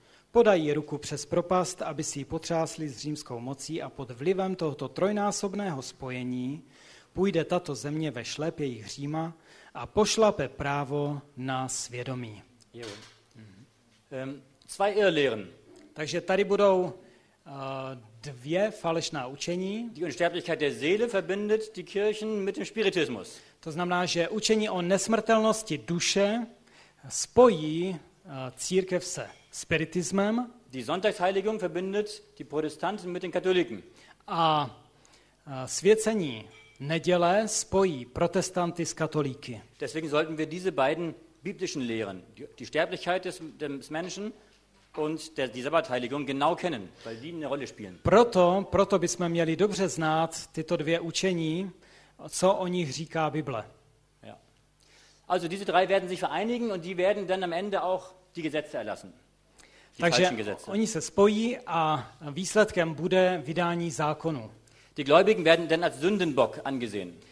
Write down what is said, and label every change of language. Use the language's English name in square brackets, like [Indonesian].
[Czech] Podají ruku přes propast, aby si ji potřásli s římskou mocí a pod vlivem tohoto trojnásobného spojení půjde tato země ve šlépějích Říma a pošlape právo na svědomí. [German] Jo. Zwei Irrlehren. [Czech] Takže tady budou dvě falešná učení. [German] Die Unsterblichkeit der Seele verbindet die Kirchen mit dem Spiritismus. [Czech] To znamená, že učení o nesmrtelnosti duše spojí církev se spiritismem. [German] Die Sonntagsheiligung verbindet die Protestanten mit den Katholiken. [Czech] A svěcení neděle spojí protestanty s katolíky. [German] Deswegen sollten wir diese beiden biblischen Lehren, die Sterblichkeit des Menschen und die Sabbatheiligung genau kennen, weil die eine Rolle spielen. [Czech] Proto bychom měli dobře znát tyto dvě učení, co o nich říká Bible. [German] Ja. Also diese drei werden sich vereinigen und die werden dann am Ende auch die Gesetze erlassen. Die Takže falschen Gesetze. [Czech] Oni se spojí a výsledkem bude vydání zákonu. [German] Die Gläubigen werden dann als Sündenbock angesehen.